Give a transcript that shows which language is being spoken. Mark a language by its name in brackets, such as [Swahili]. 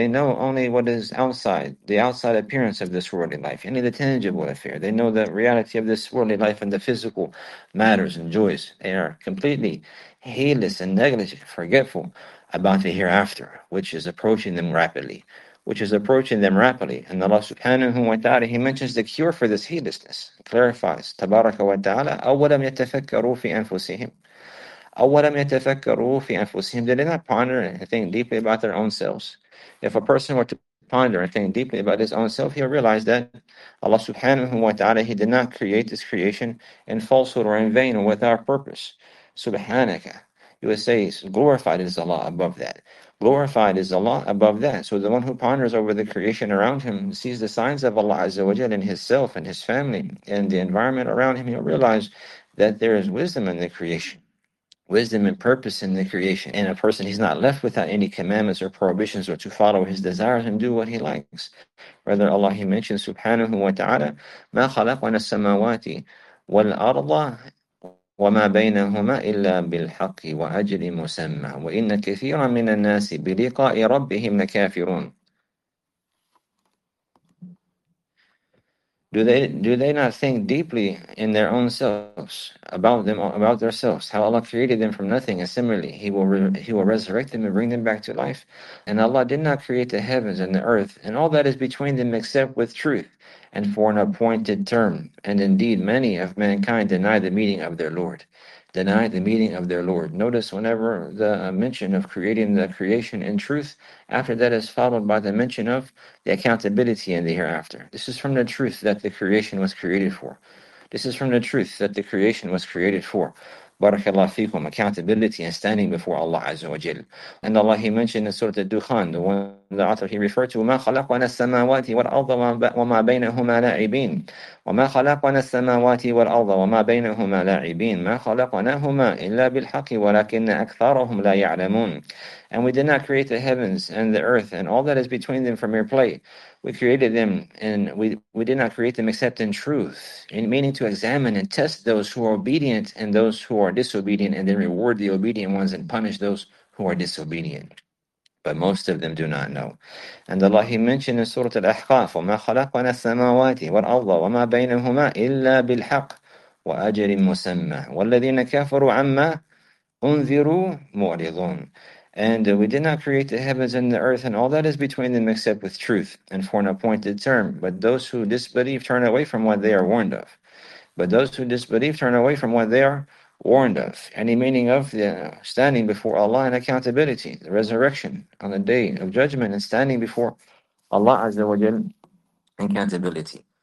[English] They know only what is outside, the outside appearance of this worldly life, only the tangible affair. They know the reality of this worldly life and the physical matters and joys. They are completely heedless and negligent, forgetful about the hereafter, which is approaching them rapidly. Which is approaching them rapidly. And Allah subhanahu wa ta'ala, He mentions the cure for this heedlessness. Clarifies, [Arabic] تَبَارَكَ وَتَعَالَى أَوَّلَمْ يَتَفَكَّرُوا فِي أَنفُسِهِمْ. [English] They did not ponder and think deeply about their own selves. If a person were to ponder and think deeply about his own self, he'll realize that Allah subhanahu wa ta'ala, He did not create this creation in falsehood or in vain or without purpose. Subhanaka. He would say, glorified is Allah above that. Glorified is Allah above that. So the one who ponders over the creation around him sees the signs of Allah Azza wa Jalla in his self and his family and the environment around him. He'll realize that there is wisdom in the creation. Wisdom and purpose in the creation. And a person, he's not left without any commandments or prohibitions or to follow his desires and do what he likes. Rather, Allah, He mentions, [Arabic] subhanahu wa ta'ala, مَا خَلَقْنَا السَّمَوَاتِ وَالْأَرْضَ وَمَا بَيْنَهُمَا إِلَّا بِالْحَقِّ وَأَجْلِ مُسَمَّى وَإِنَّ كَثِيرًا مِنَ النَّاسِ بِلِقَاءِ رَبِّهِمْ لَكَافِرُونَ. [English] Do they not think deeply in their own selves, about them, about their selves, how Allah created them from nothing, and similarly He will resurrect them and bring them back to life? And Allah did not create the heavens and the earth, and all that is between them except with truth, and for an appointed term. And indeed, many of mankind deny the meeting of their Lord. Deny the meeting of their Lord. Notice whenever the mention of creating the creation in truth, after that is followed by the mention of the accountability in the hereafter. This is from the truth that the creation was created for. This is from the truth that the creation was created for. Barakallahu fikum, accountability and standing before Allah Azza wa Jal. And Allah, He mentioned in Surah Al-Dukhan, the one the author He referred to, [Arabic] وَمَا خَلَقْنَا السَّمَاوَاتِ وَالْأَرْضَ وَمَا بَيْنَهُمَا لَاعِبِينَ وَمَا خَلَقْنَا السَّمَاوَاتِ وَالْأَرْضَ وَمَا بَيْنَهُمَا لَاعِبِينَ مَا خَلَقْنَاهُمَا إِلَّا بِالْحَقِّ وَلَكِنَّ أَكْثَرَهُمْ لَا يَعْلَمُونَ. [English] And we did not create the heavens and the earth and all that is between them from mere play. We created them and we did not create them except in truth, in meaning to examine and test those who are obedient and those who are disobedient, and then reward the obedient ones and punish those who are disobedient. But most of them do not know. And Allah, He mentioned in Surah Al-Ahqaf, [Arabic] وَمَا خَلَقْنَا السَّمَاوَاتِ وَالْأَرْضَ وَمَا بَيْنَهُمَا إِلَّا بِالْحَقِّ وَأَجَلٍ مُسَمَّى وَالَّذِينَ كَفَرُوا عَمَّا أُنذِرُوا مُعْرِضُونَ. [English] And we did not create the heavens and the earth and all that is between them except with truth and for an appointed term. But those who disbelieve turn away from what they are warned of. But those who disbelieve turn away from what they are warned of. Any meaning of the standing before Allah and accountability, the resurrection on the day of judgment and standing before Allah Azza wa Jal, accountability.